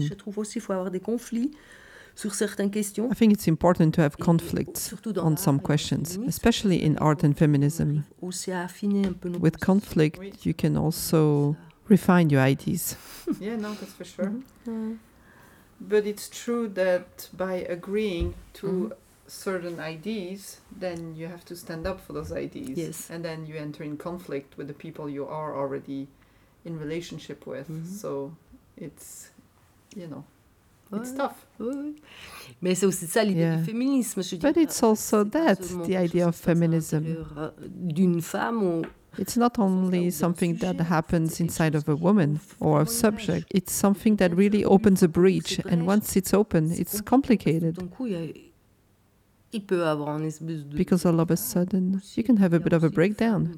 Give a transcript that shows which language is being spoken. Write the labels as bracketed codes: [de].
[fr] Je trouve aussi qu'il faut avoir des conflits sur certaines questions. [en] I think it's important to have conflicts on some questions, especially in art and feminism. With conflict, you can also refine your ideas. Yeah, no, that's for sure. Mm-hmm. But it's true that by agreeing to certain ideas, then you have to stand up for those ideas. Yes. And then you enter in conflict with the people you are already in relationship with. Mm-hmm. So it's, you know, it's tough. [fr] Mais c'est aussi ça l'idée du féminisme, je dis. [en] But it's also that, the idea of feminism. [fr] D'une femme ou... [en] It's not only something that happens inside of a woman or a subject. It's something that really opens a breach. And once it's open, it's complicated. Because all of a sudden, you can have a bit of a breakdown.